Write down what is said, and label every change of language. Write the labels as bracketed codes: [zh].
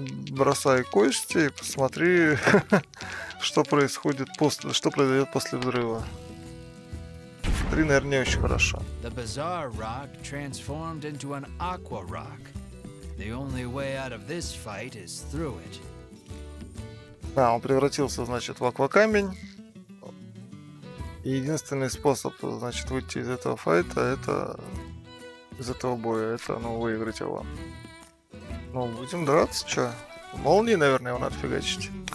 [ru] Бросай кости и посмотри, что происходит после, что произойдет после взрыва. Три, наверное, не очень хорошо. [en] The bizarre rock transformed into an aqua rock. The only way out of this fight is through it. [ru] Да, он превратился, значит, в аквакамень. Единственный способ, значит, выйти из этого файта, это из этого боя, это, ну, выиграть его. Ну, будем драться, чё? Молнии, наверное, его надо фигачить.